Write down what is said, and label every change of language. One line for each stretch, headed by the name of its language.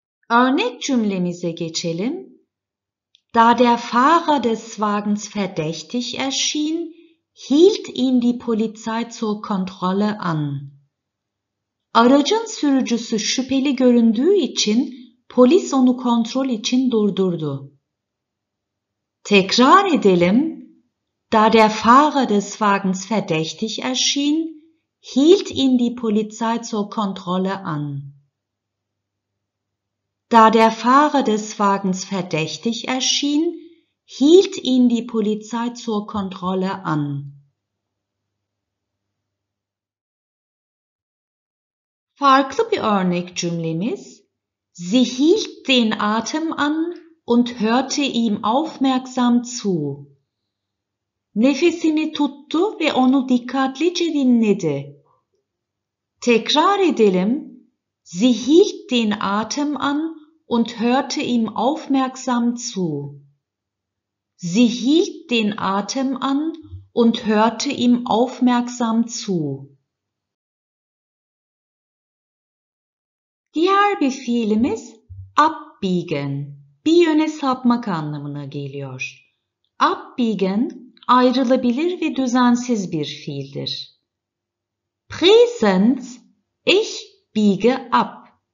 Turkish: Örnek cümlemize geçelim.
German: Da der Fahrer des Wagens verdächtig erschien, hielt ihn die Polizei zur Kontrolle an.
Turkish: Aracın sürücüsü şüpheli göründüğü için polis onu kontrol için durdurdu. Tekrar edelim.
German: Da der Fahrer des Wagens verdächtig erschien, hielt ihn die Polizei zur Kontrolle an. Da der Fahrer des Wagens verdächtig erschien, hielt ihn die Polizei zur Kontrolle an.
Turkish: Farklı bir örnek cümlemiz.
German: Sie hielt den Atem an und hörte ihm aufmerksam zu.
Turkish: Nefesini tuttu ve onu dikkatlice dinledi. Tekrar edelim. Sie hielt den Atem an und hörte ihm aufmerksam zu. Sie hielt den Atem an und hörte ihm aufmerksam zu. Diğer bir fiilimiz abbiegen, bir yöne sapmak anlamına geliyor. Abbiegen ayrılabilir ve düzensiz bir fiildir.
German: Präsens, ich biege ab.